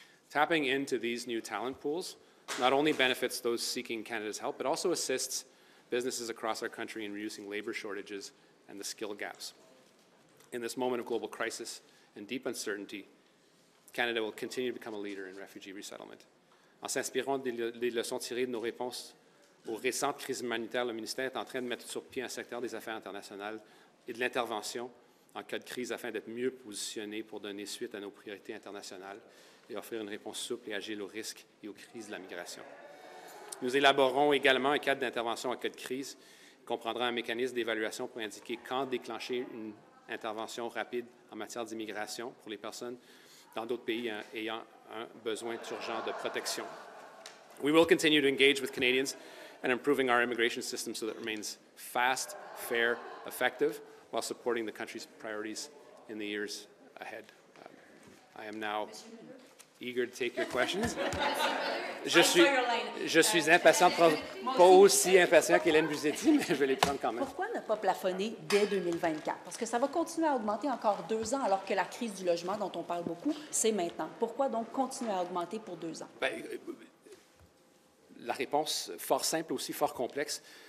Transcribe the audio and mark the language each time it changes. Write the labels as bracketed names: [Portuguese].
[English] Tapping into these new talent pools not only benefits those seeking Canada's help, but also assists businesses across our country in reducing labour shortages and the skill gaps. In this moment of global crisis and deep uncertainty, Canada will continue to become a leader in refugee resettlement. [French] En s'inspirant des leçons tirées de nos réponses aux récentes crises humanitaires, le ministère est en train de mettre sur pied un secteur des affaires internationales et de l'intervention en cas de crise afin d'être mieux positionné pour donner suite à nos priorités internationales et offrir une réponse souple et agile aux risques et aux crises de la migration. Nous élaborons également un cadre d'intervention en cas de crise qui comprendra un mécanisme d'évaluation pour indiquer quand déclencher une intervention rapide en matière d'immigration pour les personnes dans d'autres pays ayant un besoin urgent de protection. [English] We will continue to engage with Canadians and improving our immigration system so that it remains fast, fair, effective, while supporting the country's priorities in the years ahead. I am now eager to take your questions. [French] Je suis impatient, pas aussi impatient qu'Hélène Buzetti, mais je vais les prendre quand même. Pourquoi ne pas plafonner dès 2024? Parce que ça va continuer à augmenter encore 2 ans, alors que la crise du logement dont on parle beaucoup, c'est maintenant. Pourquoi donc continuer à augmenter pour 2 ans? Bien, la réponse, fort simple, aussi fort complexe.